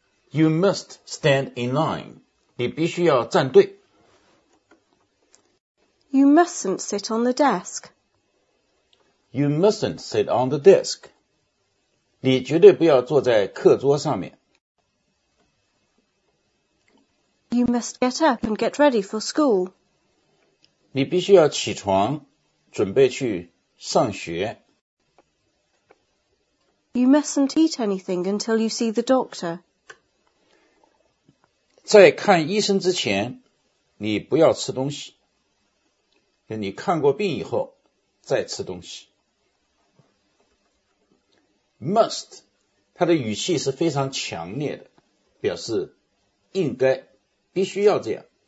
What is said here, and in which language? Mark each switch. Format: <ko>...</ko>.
<en>You must stand in line.</en> <zh>你必须要站队。</zh> <en>You mustn't sit on the desk. You mustn't sit on the desk.</en> <zh>你绝对不要坐在课桌上面。</zh> <en>You must get up and get ready for school.</en> <zh>你必须要起床，准备去上学。</zh> <en>You mustn't eat anything until you see the doctor.</en> <zh>在看医生之前，你不要吃东西。你看过病以后，再吃东西。 Must, 它的语气是非常强烈的，表示应该，必须要这样。</zh>